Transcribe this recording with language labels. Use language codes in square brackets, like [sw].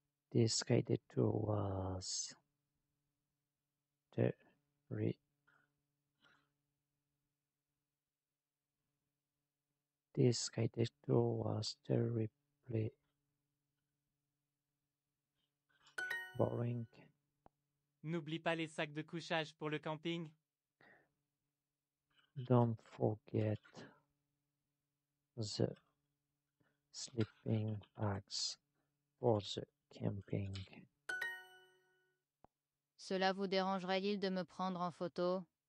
[en] This guided tour was This guided tour was terribly boring. [fr] N'oublie pas les sacs de couchage pour le camping. [en] Don't forget the sleeping bags for the camping. [fr] Cela vous dérangerait-il de me prendre en photo?